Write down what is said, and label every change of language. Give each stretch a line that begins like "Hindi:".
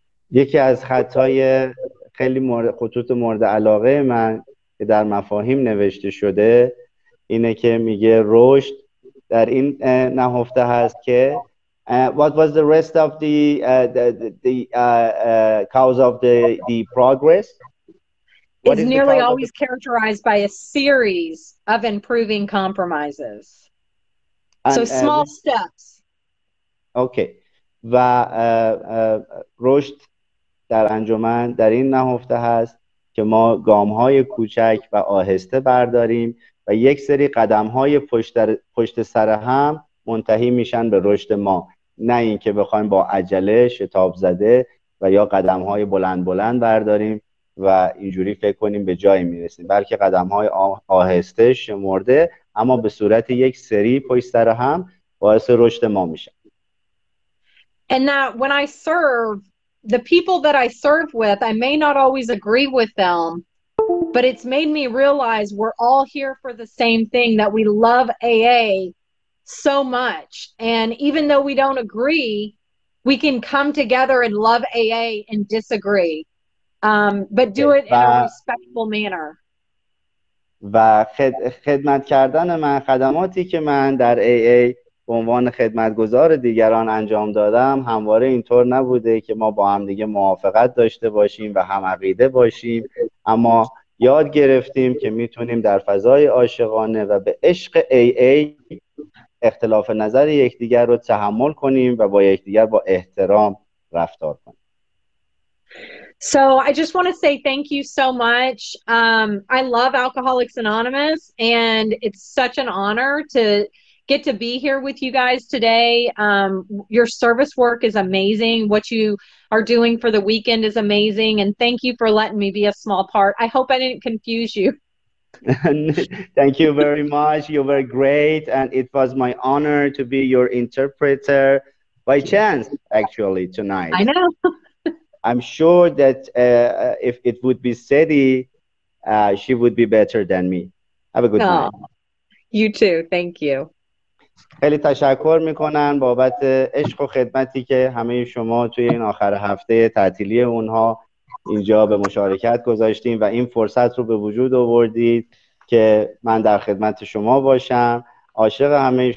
Persian: یکی از خطای خیلی خطوط مورد علاقه من که در مفاهیم نوشته شده اینه که میگه رشد در این نهفته هست که
English: what was the rest of the cause of the progress? It's nearly always characterized by a series of improving compromises. So small steps. Okay.
Persian: و رشد در انجمن در این نهفته هست که ما گام‌های کوچک و آهسته برداریم و یک سری قدم‌های پشت سر هم منتهی میشن به رشد ما. نه این که بخوایم با عجله شتاب زده و یا قدم‌های بلند بلند برداریم و اینجوری فکر کنیم به جایی میرسیم، بلکه قدم‌های آهسته شمرده اما به صورت یک سری پشت سر هم باعث رشد ما میشه.
English: And that when I serve the people that I serve with, I may not always agree with them, but it's made me realize we're all here for the same thing, that we love AA so much, and even though we don't agree, we can come together and love AA and disagree. But do it in a respectful manner.
Persian: و خدمت کردن من خدماتی که من در AA به عنوان خدمتگزار دیگران انجام دادم همواره اینطور نبوده که ما با هم دیگه موافقت داشته باشیم و هم عقیده باشیم، اما یاد گرفتیم که میتونیم در فضای عاشقانه و به عشق AA اختلاف نظر یکدیگر رو تحمل کنیم و با یکدیگر با احترام رفتار کنیم.
English: So I just want to say thank you so much. I love Alcoholics Anonymous, and it's such an honor to get to be here with you guys today. Your service work is amazing. What you are doing for the weekend is amazing, and thank you for letting me be a small part. I hope I didn't confuse you. Thank you very much. You were great, and it was my honor to be your interpreter by chance, actually, tonight. I know. I'm sure that if it would be Sadie, she would be better than me. Have a good night. You too. Thank you.
Persian: خیلی تشکر میکنم بابت عشق و خدمتی که همه شما توی این آخر هفته تعطیلی اونها اینجا به مشارکت گذاشتیم و این فرصت رو به وجود آوردید که من در خدمت شما باشم. عاشق همه شما.